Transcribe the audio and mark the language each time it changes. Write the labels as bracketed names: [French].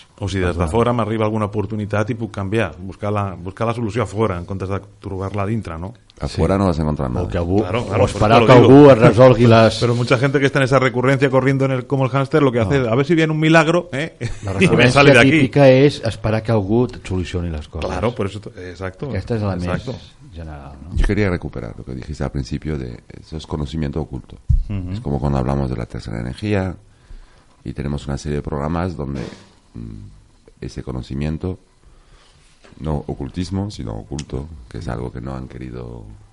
[Catalan] o sigui, des de fora m'arriba alguna oportunitat i puc canviar, buscar la solució a fora en comptes de trobar-la a dintre, no? [Spanish] A fuera, sí, no vas a encontrar nada. [Catalan] O que algú, claro, esperar que algú es resolgui les... [Spanish] Pero mucha gente que está en esa recurrencia corriendo en el, como el hámster, lo que hace, no, a ver si viene un milagro, La recurrencia [Catalan] sale d'aquí. Típica és esperar que algú solucioni les coses. [Spanish] Claro, por eso, exacto. [Catalan] Aquesta és la, exacto, més general, no? [Spanish] Yo quería recuperar lo que dijiste al principio de... Eso es conocimiento oculto. Uh-huh. Es como cuando hablamos de la tercera energía y tenemos una serie de programas donde ese conocimiento... no ocultismo, sino oculto, que es algo que no han querido